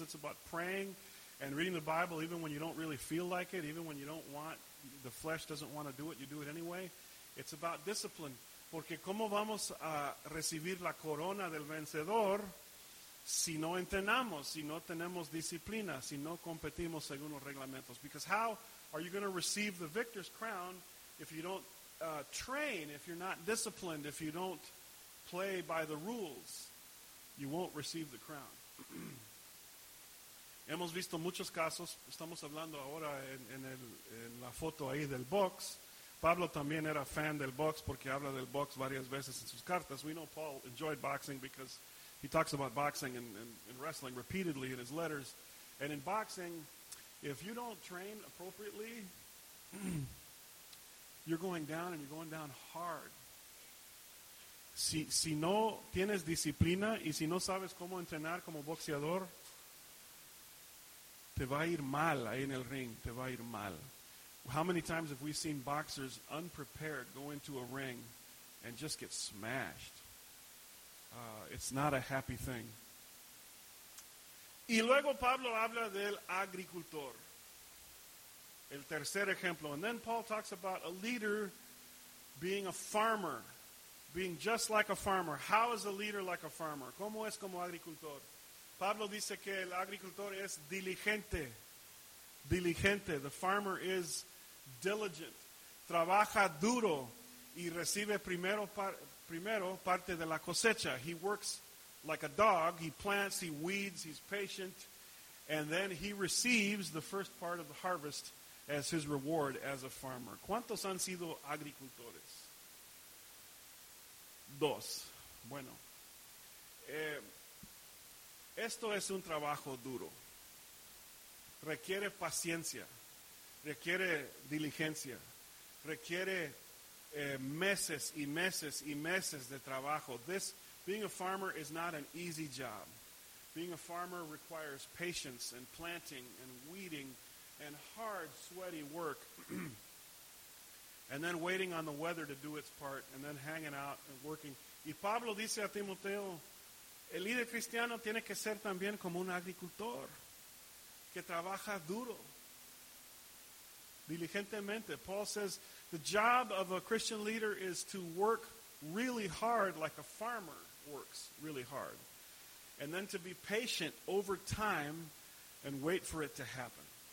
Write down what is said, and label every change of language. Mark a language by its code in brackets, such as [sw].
[en] It's about praying and reading the Bible even when you don't really feel like it, even when you don't want, the flesh doesn't want to do it, you do it anyway. It's about discipline. [es] Porque ¿cómo vamos a recibir la corona del vencedor si no entrenamos, si no tenemos disciplina, si no competimos según los reglamentos? [en] Because how are you going to receive the victor's crown if you don't train, if you're not disciplined, if you don't play by the rules, you won't receive the crown. [es] Hemos visto muchos casos, estamos hablando ahora en la foto ahí del box. Pablo también era fan del box porque habla del box varias veces en sus cartas. [en] We know Paul enjoyed boxing because he talks about boxing and wrestling repeatedly in his letters. And in boxing, if you don't train appropriately, you're going down and you're going down hard. [es] Si no tienes disciplina y si no sabes cómo entrenar como boxeador, te va a ir mal ahí en el ring, te va a ir mal. [en] How many times have we seen boxers unprepared go into a ring and just get smashed? It's not a happy thing. [es] Y luego Pablo habla del agricultor, el tercer ejemplo. [en] And then Paul talks about a leader being a farmer. Being just like a farmer. How is a leader like a farmer? [es] ¿Cómo es como agricultor? Pablo dice que el agricultor es diligente. Diligente. [en] The farmer is diligent. [es] Trabaja duro y recibe primero parte de la cosecha. [en] He works like a dog. He plants, he weeds, he's patient. And then he receives the first part of the harvest as his reward as a farmer. [es] ¿Cuántos han sido agricultores? Dos. Bueno, esto es un trabajo duro. requiere paciencia, requiere diligencia, requiere meses y meses y meses de trabajo. [en] This, being a farmer is not an easy job. Being a farmer requires patience and planting and weeding and hard, sweaty work. And then waiting on the weather to do its part, and then hanging out and working. [es] Y Pablo dice a Timoteo, el líder cristiano tiene que ser también como un agricultor, que trabaja duro, diligentemente. [en] Paul says, the job of a Christian leader is to work really hard like a farmer works really hard. And then to be patient over time and wait for it to happen.